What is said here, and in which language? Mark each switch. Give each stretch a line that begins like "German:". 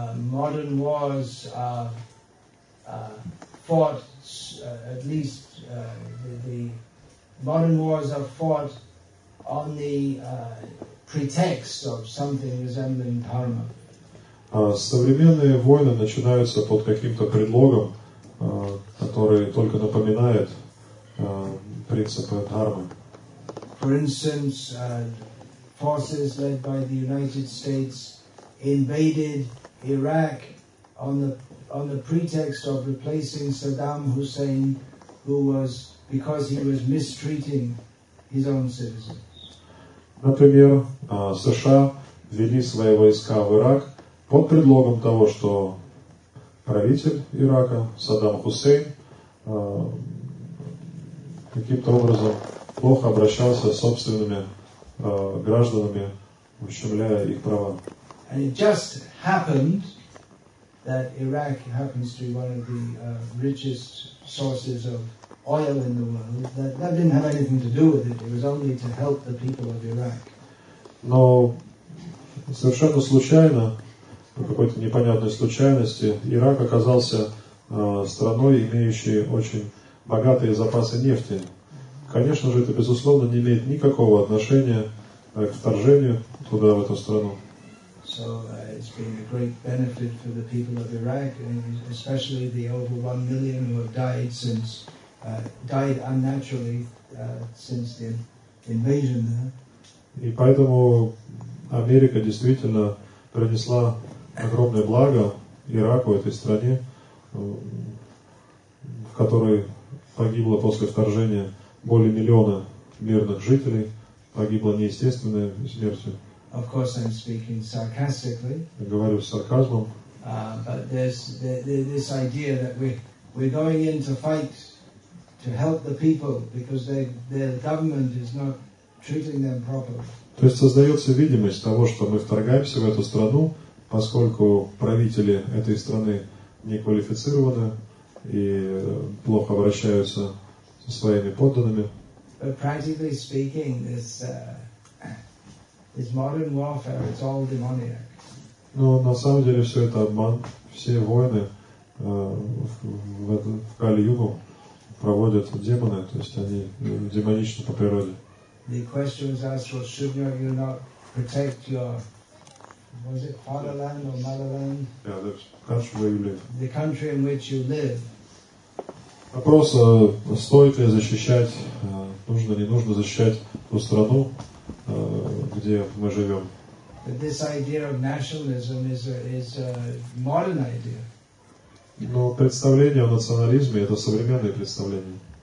English: Modern wars fought at least the modern wars are fought on the pretext of something resembling dharma.
Russian: Современные войны начинаются под каким-то предлогом, который только напоминает принципы дхармы.
English: For instance, forces led by the United States invaded Iraq on the pretext of replacing Saddam Hussein, because he was mistreating his own citizens.
Russian: Например, США ввели свои войска в Ирак под предлогом того, что правитель Ирака, Саддам Хусейн, каким-то образом плохо обращался с собственными гражданами, ущемляя их права.
English: And it just happened that Iraq happens to be one of the richest sources of oil in the world. That didn't have anything to do with it. It was only to help the people of Iraq.
Russian: Но совершенно случайно, по какой-то непонятной случайности, Ирак оказался страной, имеющей очень богатые запасы нефти. Конечно же, это, безусловно, не имеет никакого отношения к вторжению туда, в эту страну.
English: So, it's been a great benefit for the people of Iraq, and especially the over 1 million who have died since, died unnaturally, since the invasion there.
Russian: И поэтому Америка действительно принесла огромное благо Ираку, этой стране, в которой погибло после вторжения более миллиона мирных жителей, погибло неестественной смертью.
English: Of course, I'm speaking sarcastically.
Russian: Я говорю с сарказмом.
English: But there's this idea that we're going in to fight to help the people because their government is not treating them properly.
Russian: То есть создается видимость того, что мы вторгаемся в эту страну, поскольку правители этой страны неквалифицированы и плохо обращаются со своими подданными.
English: But practically speaking, this modern warfare, it's all demoniac.
Russian: Но на самом деле все это обман. Все войны в Кали-Югу проводят демоны, то есть они демоничны по природе.
English: The question was asked, well, should you not protect your, was it fatherland or motherland? Yeah, the country where you live. The country in which you live.
Russian: Вопрос, стоит ли защищать, нужно ли, нужно защищать ту страну, где мы живем.
English: But this idea of nationalism is a modern idea.
Russian: Но представление о национализме, это современное представление.